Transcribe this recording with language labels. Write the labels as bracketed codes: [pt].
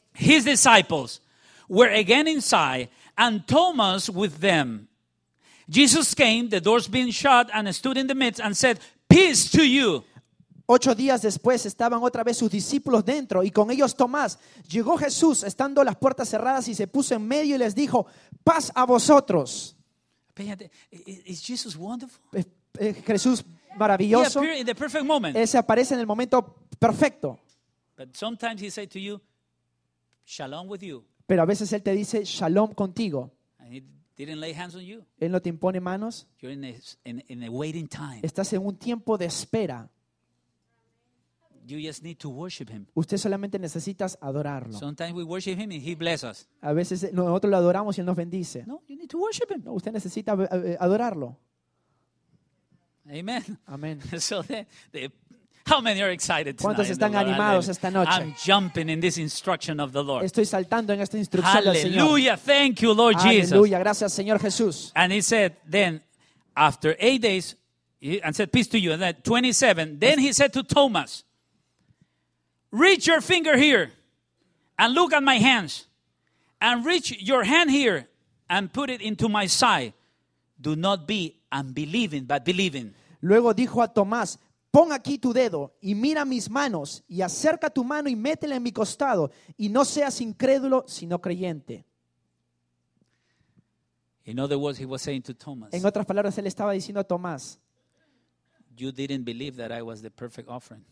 [en] His disciples were again inside, and Thomas with them. Jesus came, the doors being shut, and stood in the midst and said, "Peace to you." [es] 8 días después estaban otra vez sus discípulos dentro y con ellos Tomás. Llegó Jesús estando las puertas cerradas y se puso en medio y les dijo: paz a vosotros. ¿Es Jesús wonderful? Jesús maravilloso. [en] He appeared in the perfect moment. [es] Él se aparece en el momento perfecto. [en] But sometimes he say to you, shalom with you. [es] Pero a veces él te dice shalom contigo. [en] And he didn't lay hands on you. [es] Él no te impone manos. [en] You're in a waiting time. [es] Estás en un tiempo de espera. [en] You just need to worship him. [es] Usted solamente necesitas adorarlo. [en] Sometimes we worship him and he blesses us. [es] A veces nosotros lo adoramos y él nos bendice. [en] No, you need to worship him. [es] No, usted necesita adorarlo. [en] Amen. Amen. So how many are excited tonight? [es] ¿Cuántos están animados esta noche? [en] I'm jumping in this instruction of the Lord. [es] Estoy saltando en esta instrucción del Señor. [en] Hallelujah. Thank you, Lord Jesus. [es] Aleluya, gracias, Señor Jesús. [en] And he said, then after 8 days, and said, peace to you. And then 27. Then he said to Thomas, reach your finger here and look at my hands, and reach your hand here and put it into my side. Do not be unbelieving, but believing. [es] Luego dijo a Tomás, pon aquí tu dedo y mira mis manos, y acerca tu mano y métela en mi costado, y no seas incrédulo, sino creyente. [en] In other words, he was saying to Thomas. [es] En otras palabras, él estaba diciendo a Tomás. [en] You didn't believe that I was the perfect offering.